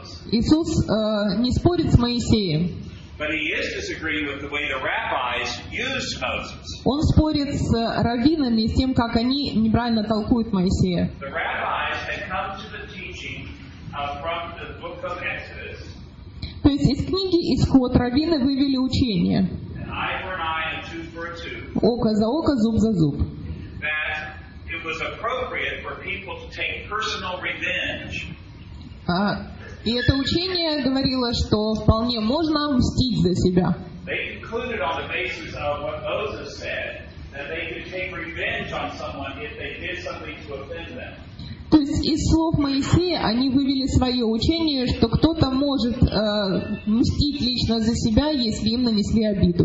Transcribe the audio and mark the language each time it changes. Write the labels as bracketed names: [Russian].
[Russian] Иисус не спорит с Моисеем. [English] But he is disagreeing with the way the rabbis used Moses. [Russian] Он спорит с раввинами с тем, как они неправильно толкуют Моисея. [English] The rabbis had come to the teaching from the book of Exodus. [Russian] То есть из книги Исход раввины вывели учение. [English] An eye for an eye and tooth for a tooth. [Russian] Око за око, зуб за зуб. [English] That it was appropriate for people to take personal revenge. [Russian] И это учение говорило, что вполне можно мстить за себя. [English] They concluded on the basis of what Moses said, that they could take revenge on someone if they did something to offend them. [Russian] То есть из слов Моисея они вывели свое учение, что кто-то может мстить лично за себя, если им нанесли обиду.